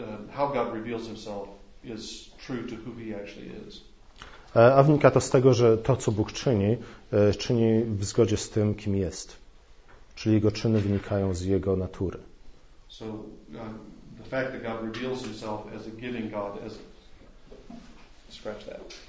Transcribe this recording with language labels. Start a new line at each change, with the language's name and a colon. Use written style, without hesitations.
English: How God reveals himself is true to who he actually is.
Polish: A wynika to z tego, że to, co Bóg czyni, czyni w zgodzie z tym, kim jest. Czyli jego czyny wynikają z jego natury.
English: So the fact that God reveals himself as a giving God, as scratch that.